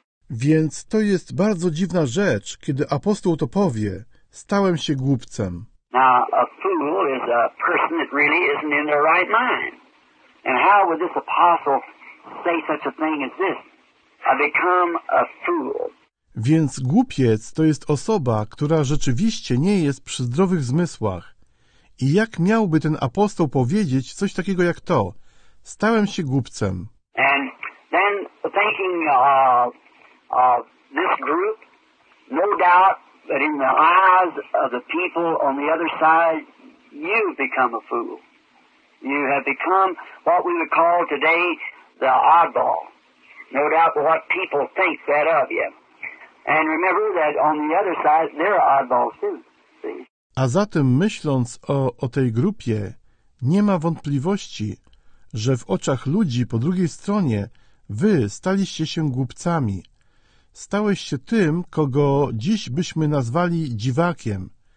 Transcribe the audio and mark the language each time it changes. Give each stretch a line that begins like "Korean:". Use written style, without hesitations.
Polish: Więc to jest bardzo dziwna rzecz, kiedy apostoł to powie, stałem się głupcem.
English: Now, a fool is a person that really isn't in their right mind. And how would this apostle say such a thing as this? I become a fool.
Polish: Więc głupiec to jest osoba, która rzeczywiście nie jest przy zdrowych zmysłach. I jak miałby ten apostoł powiedzieć coś takiego jak to? Stałem się głupcem.
English: And then thinking of this group, no doubt that in the eyes of the people on the other side, you've become a fool. You have become what we would call today the oddball. No doubt what people think that of you. And remember that on the other side, there are oddballs too.
Polish: A zatem myśląc o tej grupie, nie ma wątpliwości, że w oczach ludzi po drugiej stronie wy staliście się głupcami. stałeś się tym, kogo dziś byśmy nazwali dziwakiem.